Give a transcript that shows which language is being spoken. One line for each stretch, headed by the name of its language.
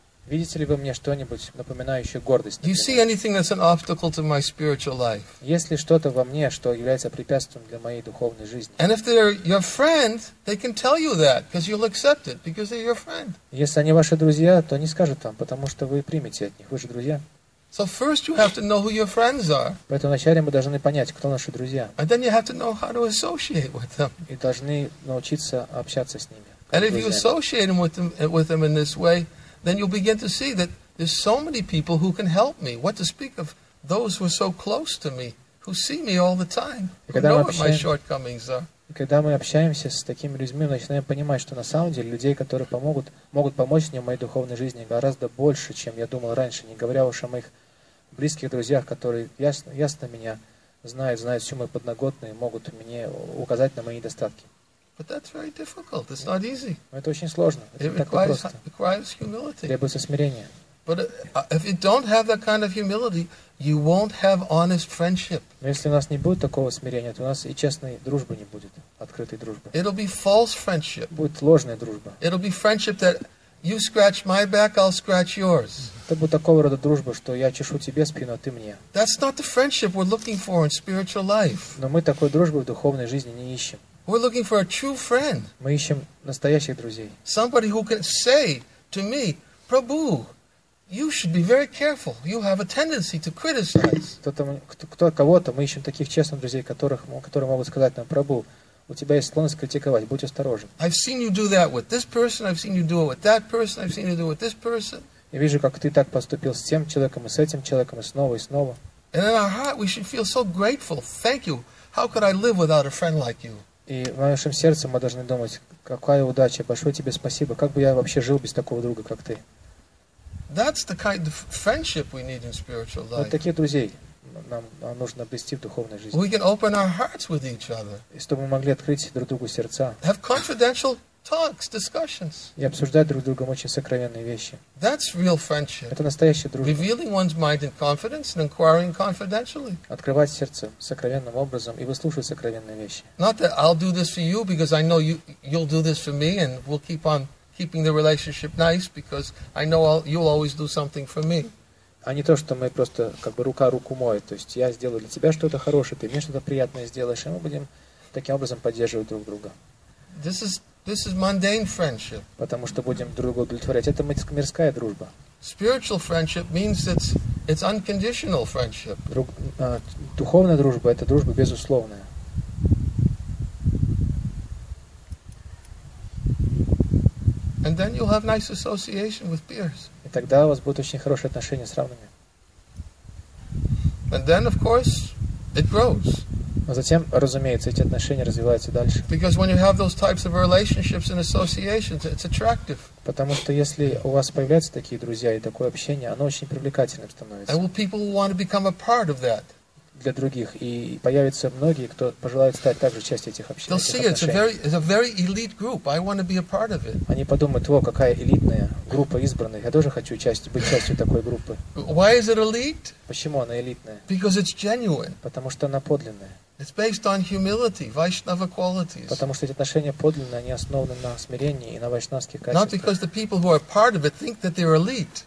Russian: Видите ли вы мне что-нибудь напоминающее гордость?
English: Do you see anything that's an obstacle to my spiritual life?
Russian: Есть ли что-то во мне, что является препятствием для моей духовной жизни?
English: And if they're your friend, they can tell you that because you'll accept it because they're your friend.
Russian: Если они ваши друзья, то они скажут вам, потому что вы примете от них, вы же друзья.
English: So first you have to know who your friends are.
Russian: Поэтому вначале мы должны понять, кто наши друзья.
English: And then you have to know how to associate with them.
Russian: И должны научиться общаться с ними.
English: And if you associate with them in this way, then you'll begin to see that there's so many people who can help me. What to speak of those who are so close to me, who see me all the time, who know what my shortcomings are.
Russian: Когда мы общаемся с такими людьми, мы начинаем понимать, что на самом деле людей, которые могут помочь мне в моей духовной жизни, гораздо больше, чем я думал раньше, не говоря уж о моих близких друзьях, которые ясно меня знают всю мою подноготную, могут мне указать на мои недостатки.
English: But that's very difficult. It's not easy.
Russian: Это очень сложно.
English: It requires humility.
Russian: Требуется смирение.
English: But if you don't have that kind of humility, you won't have honest friendship.
Russian: Но если у нас не будет такого смирения, то у нас и честной дружбы не будет, открытой дружбы.
English: It'll be false friendship.
Russian: Будет ложная дружба.
English: It'll be friendship that you scratch my back, I'll scratch yours.
Russian: Это будет такого рода дружба, что я чешу тебе спину, а ты мне.
English: That's not the friendship we're looking for in spiritual life.
Russian: Но мы такой дружбы в духовной жизни не ищем.
English: We're looking for a true friend.
Russian: Мы ищем настоящих друзей.
English: Somebody who can say to me, Prabhu, you should be very careful. You have a tendency to criticize.
Russian: Кто-то, кого-то, мы ищем таких честных друзей, которые могут сказать нам, Прабху, У тебя есть склонность критиковать, будь осторожен.
English: I've seen you do that with this person, I've seen you do it with that person, I've seen you do it with this person.
Russian: Я вижу, как ты так поступил с тем человеком и с этим человеком и снова и снова.
English: And in our heart we should feel so grateful. Thank you. How could I live without a friend like you?
Russian: И в нашем сердце мы должны думать, какая удача, большое тебе спасибо. Как бы я вообще жил без такого друга, как ты?
English: That's the kind of friendship we need in spiritual life.
Russian: Вот таких друзей нам нужно обрести в духовной жизни.
English: We can open our hearts with each other.
Russian: И чтобы мы могли открыть друг другу сердца.
English: Have confidential talks, discussions.
Russian: И обсуждать друг с другом очень сокровенные вещи.
English: That's real friendship.
Russian: Это настоящая дружба.
English: Revealing one's mind in confidence and inquiring confidentially.
Russian: Открывать сердце сокровенным образом и выслушивать сокровенные вещи.
English: Not that I'll do this for you because I know you'll do this for me and we'll keep on keeping the relationship nice because I know you'll always do something for me.
Russian: А не то, что мы просто как бы рука руку моет. То есть я сделаю для тебя что-то хорошее, ты мне что-то приятное сделаешь, и мы будем таким образом поддерживать друг друга.
English: This is mundane friendship.
Russian: Потому что будем друг друга удовлетворять. Это мирская дружба.
English: Spiritual friendship means it's unconditional friendship.
Russian: Духовная дружба — это дружба безусловная.
English: And then you'll have nice association with peers.
Russian: И тогда у вас будут очень хорошие отношения с равными.
English: And then, of course, it grows.
Russian: А затем, разумеется, эти отношения развиваются дальше.
English: Because when you have those types of relationships and associations, it's attractive.
Russian: Потому что если у вас появляются такие друзья и такое общение, оно очень привлекательным становится.
English: And will people want to become a part of that?
Russian: Для других, и появятся многие, кто пожелает стать также частью этих отношений. Они подумают, о, какая элитная группа избранных, я тоже хочу быть частью такой группы.
English: Why is it elite?
Russian: Почему она элитная?
English: Because it's genuine.
Russian: Потому что она подлинная.
English: It's based on humility, Vaishnava qualities.
Russian: Потому что эти отношения подлинные, они основаны на смирении и на вайшнавских качествах.
English: Not because the people who are part of it think that they're elite.